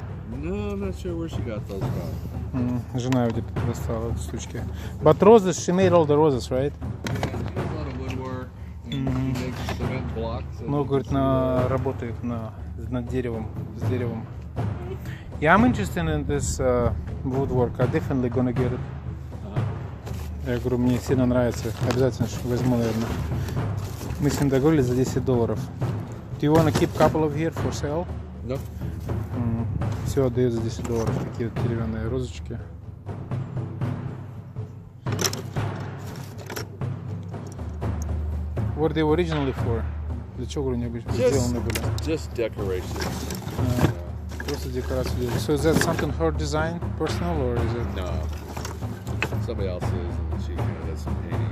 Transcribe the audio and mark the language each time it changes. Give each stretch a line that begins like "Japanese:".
English: No, I'm not sure where she got those from.
Russian: Жена где-то достала штучки.
English: But roses, she made all the roses, right? Yeah, she has a lot of woodwork. She makes cement blocks.
Russian: Ну, говорит, на работает над деревом, с деревом.
English: Yeah, I'm interested in this woodwork. I definitely gonna get it.
Russian: Uh-huh. Я говорю, мне сильно нравится. Обязательно возьму, наверное. Мы с ним договорились за $10.
English: Do you wanna keep a couple of here for sale? No.
Russian: Все отдает за $10, такие вот деревянные розочки.
English: What they were originally for?
Russian: Для чего, говорю, необычно сделаны были?
English: Just decorations.
Russian: Просто декорации.
English: So is that something her design, personal, or is it? No. Somebody else is, and she does some painting.